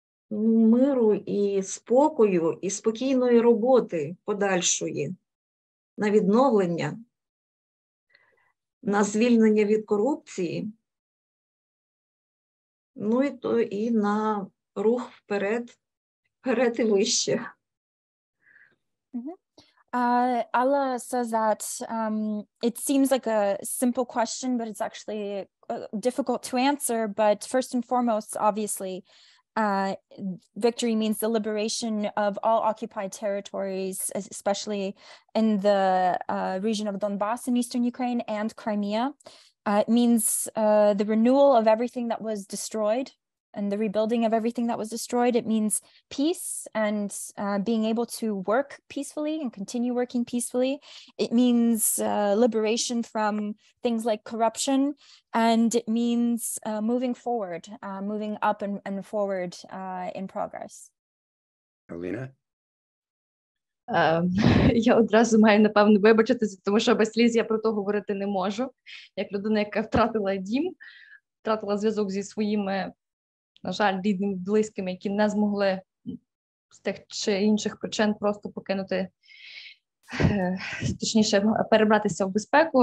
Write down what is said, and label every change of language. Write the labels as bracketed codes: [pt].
[uk] Миру і спокою, і спокійної роботи подальшої на відновлення, на звільнення від корупції, ну і то і на рух вперед і вище. [en] Alla says that it seems like a simple question, but it's actually difficult to answer. But first and foremost, obviously, victory means the liberation of all occupied territories, especially in the region of Donbas in eastern Ukraine and Crimea. It means the renewal of everything that was destroyed and the rebuilding of everything that was destroyed. It means peace and being able to work peacefully and continue working peacefully. It means liberation from things like corruption, and it means moving forward, moving up and forward in progress. Alina? [uk] Я одразу маю, напевно, вибачитися, тому що без сліз я про то говорити не можу. Як людина, яка втратила дім, втратила зв'язок зі своїми, на жаль, рідними, близькими, які не змогли з тих чи інших причин просто покинути, точніше, перебратися в безпеку.